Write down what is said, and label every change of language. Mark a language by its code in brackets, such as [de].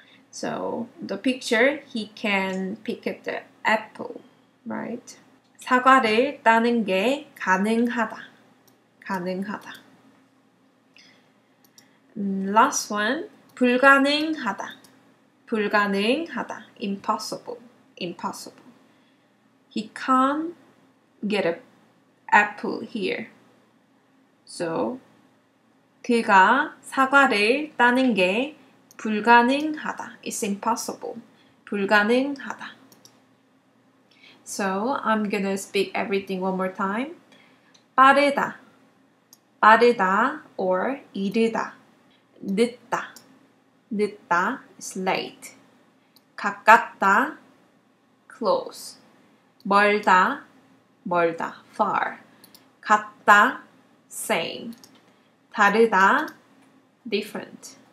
[en] So, the picture, he can pick up the apple, right? [ko] 사과를 따는 게 가능하다. 가능하다. [en] Last one, [ko] 불가능하다. 불가능하다. [en] Impossible. Impossible. He can't get an apple here. So, [ko] 그가 사과를 따는 게 불가능하다. [en] It's impossible. [ko] 불가능하다. [en] So I'm gonna speak everything one more time. [ko] 빠르다. 빠르다 or 이르다. 늦다. 늦다 [en] is late. [ko] 가깝다. Close. 멀다. 멀다. Far. 같다. Same. 다르다. Different.